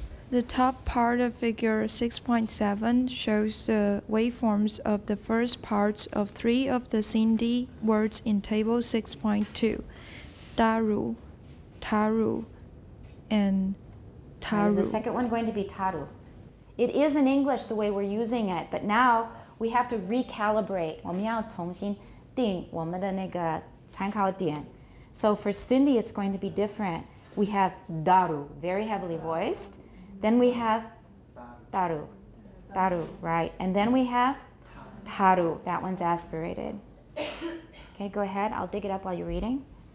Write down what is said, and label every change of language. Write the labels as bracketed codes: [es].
[en] The top part of figure 6.7 shows the waveforms of the first parts of three of the Sindhi words in table 6.2. Daru, Taru, and Taru. Is the second one going to be Taru? It is in English the way we're using it, but now we have to recalibrate. [zh] 我们要重新定我们的那个参考点。 [en] So for Sindhi, it's going to be different. We have Daru, very heavily voiced. Then we have Daru, Daru, right? And then we have Taru, that one's aspirated. Okay, go ahead, I'll dig it up while you're reading.